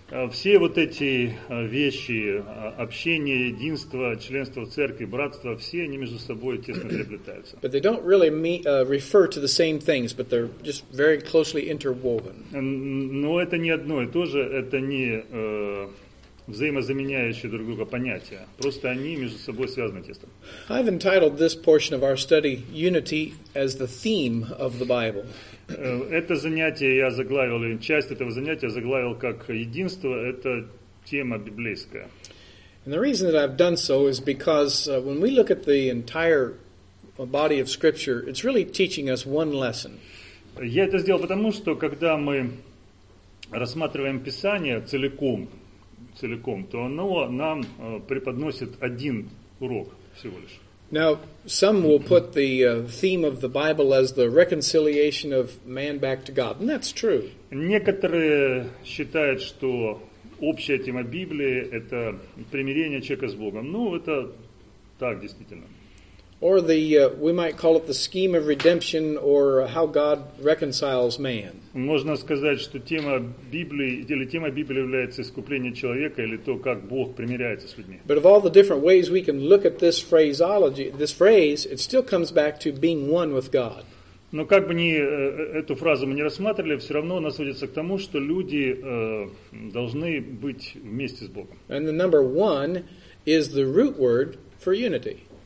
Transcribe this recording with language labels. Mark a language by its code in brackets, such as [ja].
[ru] Все вот эти вещи, общение, единство, членство в церкви, братство, все они между собой тесно переплетаются. [en] But they don't really refer to the same things, but they're just very closely interwoven. [ru] Но это не одно и то же, это не взаимозаменяющие друг друга понятия. Просто они между собой связаны тесно. [en] I've entitled this portion of our study Unity as the theme of the Bible. [ru] Это занятие я заглавил, или часть этого занятия заглавил как единство, это тема библейская. [en] And the reason that I've done so is because when we look at the entire body of Scripture, it's really teaching us one lesson. [ru] Я это сделал потому, что когда мы рассматриваем Писание целиком, то оно нам преподносит один урок всего лишь. [en] Now, some will put the theme of the Bible as the reconciliation of man back to God, and that's true. [ru] Некоторые считают, что общая тема Библии – это примирение человека с Богом. Ну, это так, действительно. [en] Or the we might call it the scheme of redemption, or how God reconciles man. [ru] Можно сказать, что тема Библии или тема Библии является искупление человека или то, как Бог примиряется с людьми. [en] But of all the different ways we can look at this phraseology, this phrase, it still comes back to being one with God. [ru] Но как бы ни эту фразу мы не рассматривали, все равно она сводится к тому, что люди должны быть вместе с Богом. [en] And the number one is the root word for unity.